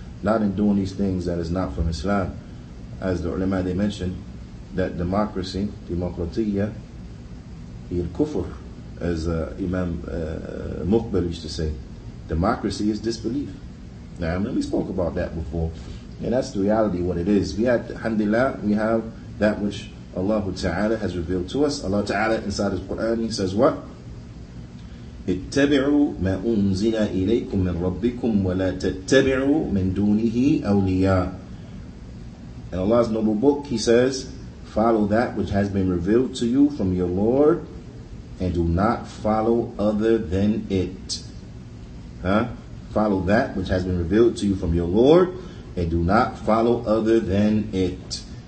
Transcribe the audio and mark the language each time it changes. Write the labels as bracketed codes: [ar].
[en] Not in doing these things that is not from Islam. As the ulama, they mentioned, that democracy, demokratiya, il kufr, as Imam Muqbil used to say, democracy is disbelief. Now, I mean, we spoke about that before. And that's the reality, what it is. We have, alhamdulillah, we have that which Allah Ta'ala has revealed to us. Allah Ta'ala, inside His Quran, He says what? [ar] اتبعوا ما أنزل إليكم من ربكم ولا تتبعوا من دونه أولياء. [en] In Allah's noble book, He says, follow that which has been revealed to you from your Lord and do not follow other than it. Huh? Follow that which has been revealed to you from your Lord and do not follow other than it.